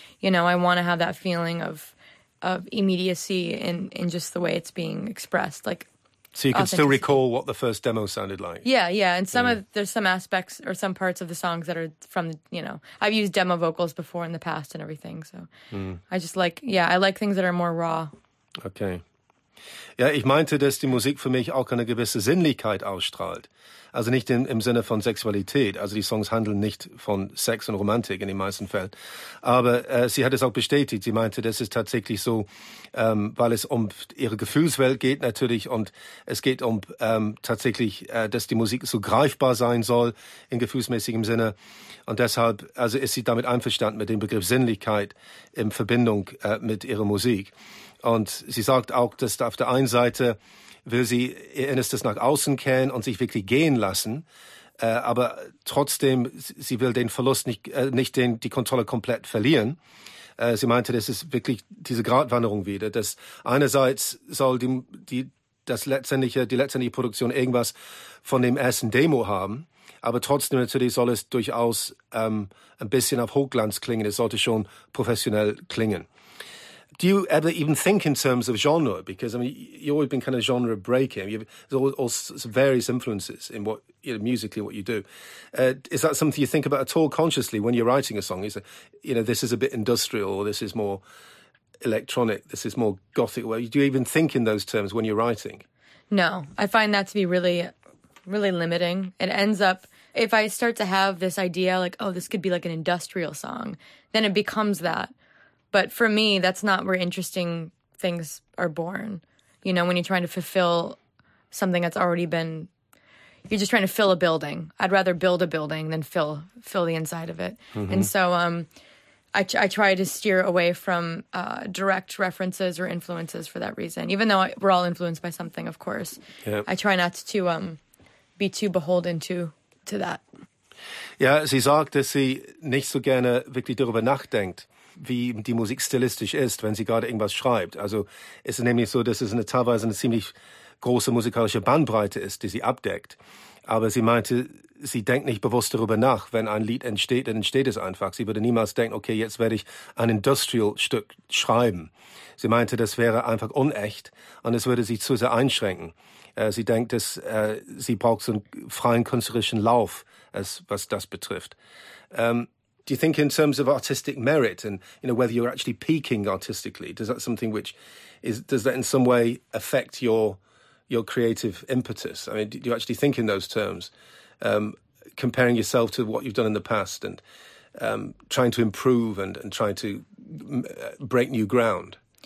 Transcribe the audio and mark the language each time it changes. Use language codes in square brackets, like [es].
[en] You know, I want to have that feeling of immediacy in just the way it's being expressed. Like, so you can still recall what the first demo sounded like. Yeah, yeah. And there's some aspects or some parts of the songs that are from, you know, I've used demo vocals before in the past and everything. So I just like, yeah, I like things that are more raw. Okay. [de] Ja, ich meinte, dass die Musik für mich auch eine gewisse Sinnlichkeit ausstrahlt. Also nicht im Sinne von Sexualität. Also die Songs handeln nicht von Sex und Romantik in den meisten Fällen. Aber sie hat es auch bestätigt. Sie meinte, das ist tatsächlich so, weil es um ihre Gefühlswelt geht natürlich. Und es geht um tatsächlich, dass die Musik so greifbar sein soll in gefühlsmäßigem Sinne. Und deshalb also ist sie damit einverstanden mit dem Begriff Sinnlichkeit in Verbindung mit ihrer Musik. Und sie sagt auch, dass auf der einen Seite will sie ihr Innerstes nach außen kehren und sich wirklich gehen lassen, aber trotzdem, sie will den Verlust nicht die Kontrolle komplett verlieren. Sie meinte, das ist wirklich diese Gratwanderung wieder, dass einerseits soll die letztendliche Produktion irgendwas von dem ersten Demo haben, aber trotzdem natürlich soll es durchaus ein bisschen auf Hochglanz klingen, es sollte schon professionell klingen. [en] Do you ever even think in terms of genre? Because, I mean, you've always been kind of genre breaking. There's all various influences in what, you know, musically what you do. Is that something you think about at all consciously when you're writing a song? Is it, you know, this is a bit industrial, or this is more electronic, this is more gothic? Well, do you even think in those terms when you're writing? No, I find that to be really, really limiting. It ends up, if I start to have this idea like, oh, this could be like an industrial song, then it becomes that. But for me, that's not where interesting things are born. You know, when you're trying to fulfill something that's already been, you're just trying to fill a building. I'd rather build a building than fill the inside of it. Mm-hmm. And so I try to steer away from direct references or influences for that reason. Even though we're all influenced by something, of course. Yep. I try not to be too beholden to that. [de] Yeah, sie sagt, dass sie nicht so gerne wirklich darüber nachdenkt, wie die Musik stilistisch ist, wenn sie gerade irgendwas schreibt. Also es ist nämlich so, dass es teilweise eine ziemlich große musikalische Bandbreite ist, die sie abdeckt. Aber sie meinte, sie denkt nicht bewusst darüber nach. Wenn ein Lied entsteht, dann entsteht es einfach. Sie würde niemals denken, okay, jetzt werde ich ein Industrial-Stück schreiben. Sie meinte, das wäre einfach unecht und es würde sie zu sehr einschränken. Sie denkt, dass sie braucht so einen freien künstlerischen Lauf, was das betrifft. [en] Do you think in terms of artistic merit and, you know, whether you're actually peaking artistically, does that something which is, does that in some way affect your creative impetus? I mean, do you actually think in those terms, comparing yourself to what you've done in the past and trying to improve and trying to break new ground?